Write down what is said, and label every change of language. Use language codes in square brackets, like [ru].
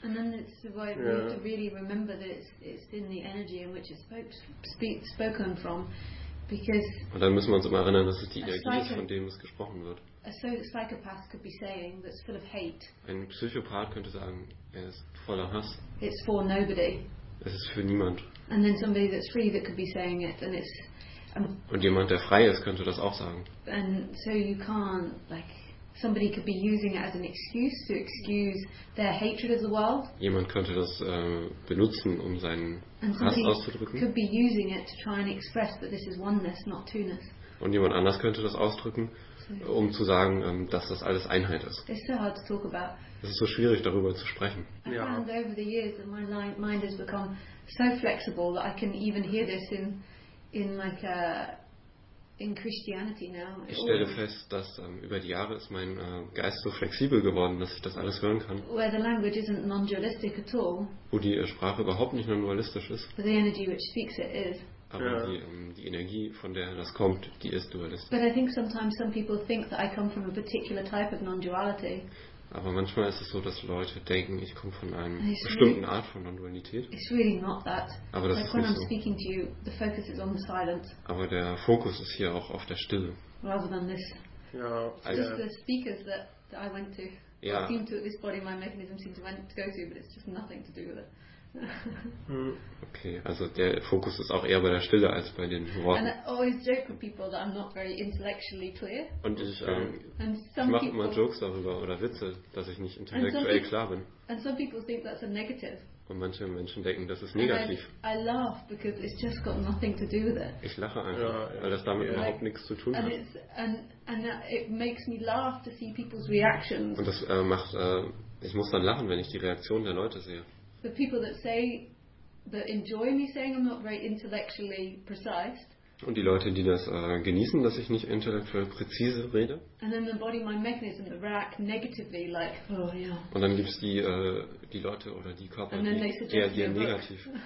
[en] And then it's the way we have to really remember that it's in the energy in which it's spoken from. Because [de] und dann müssen wir uns immer erinnern, dass es die Energie ist, von dem es gesprochen wird. [en] A psychopath could be saying that's full of hate. [de] Ein Psychopath könnte sagen, er ist voller Hass. [en] It's for nobody. [de] Es ist für niemand. [en] And then somebody that's free that could be saying it and it's [de] und jemand, der frei ist, könnte das auch sagen. [en] And so you can't like somebody could be using it as an excuse to excuse their hatred of the world. [de] Jemand könnte das benutzen, um seinen Hass auszudrücken. [en] Could be using it to try and express that this is oneness, not two-ness. [de] Und jemand anders könnte das ausdrücken, um zu sagen, dass das alles Einheit ist. [en] It's so hard to talk about. [de] Es ist so schwierig, darüber zu sprechen. [en] I found over the years that my mind has become so flexible that I can even hear this in like a in Christianity now. [de] Ich stelle fest, dass über die Jahre ist mein Geist so flexibel geworden, dass ich das alles hören kann. [en] Where the language isn't non-dualistic at all. [de] Wo die Sprache überhaupt nicht non-dualistisch ist. [en] But the energy which speaks it is. [de] Aber die Energie, von der das kommt, die ist dualistisch. [en] But I think sometimes some people think that I come from a particular type of non-duality. [de] Aber manchmal ist es so, dass Leute denken, ich komme von einer bestimmten Art von Non-Dualität. [en] It's really not that. [de] Aber das [en] like [de] ist nicht [en] I'm speaking to you, the focus is on the silence. [de] Aber der Fokus ist hier auch auf der Stille. [en] Rather than this. [de] Ja. [en] Just the speakers that I went to. [de] Ja. [en] I seemed to, this body, my mechanism seemed to went to go to, but it's just nothing to do with it. [de] Okay, also der Fokus ist auch eher bei der Stille als bei den Worten. [en] And I always joke with people that I'm not very intellectually clear. [de] Und ich mache immer Jokes darüber oder Witze, dass ich nicht intellektuell klar bin. [en] And some people think that's a negative. [de] Und manche Menschen denken, das ist negativ. [en] I laugh because it's just got nothing to do with it. [de] Ich lache einfach, weil das damit überhaupt nichts zu tun hat. [en] And it makes me laugh to see people's reactions. [de] Und das macht, ich muss dann lachen, wenn ich die Reaktion der Leute sehe. [en] The people that say, that enjoy me saying I'm not very intellectually precise. [de] Und die Leute, die das genießen, dass ich nicht intellektuell präzise rede. [en] And then the body mind mechanism that react negatively, like, oh yeah. [de] Und dann gibt's die Leute oder die Körper, die reagieren negativ.